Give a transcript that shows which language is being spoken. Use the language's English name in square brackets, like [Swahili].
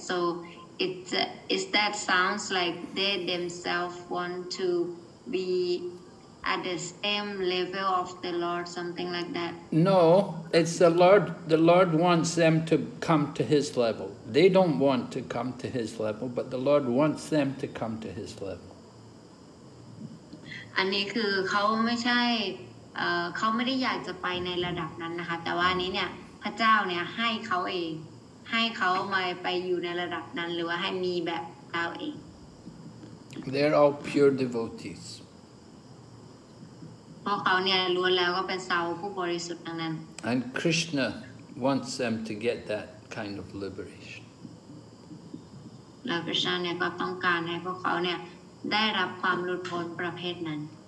[English] So it's that sounds like they themselves want to be at the same level of the Lord, something like that. No, it's the Lord. The Lord wants them to come to His level. They don't want to come to His level, but the Lord wants them to come to His level. [Thai] อันนี้คือเขาไม่ใช่เขาไม่ได้อยากจะไปในระดับนั้นนะคะแต่ว่าอันนี้เนี่ยพระเจ้าเนี่ยให้เขาเองให้เขามาไปอยู่ในระดับนั้นหรือว่าให้มีแบบเขาเอง [English] They're all pure devotees. [Thai] เพราะเขาเนี่ยล้วนแล้วก็เป็นสาวกผู้บริสุทธิ์ทั้งนั้น [English] And Krishna wants them to get that kind of liberation. [Thai] แล้วพระเจ้าเนี่ยก็ต้องการให้พวกเขาเนี่ยได้รับความหลุดพ้นประเภทนั้น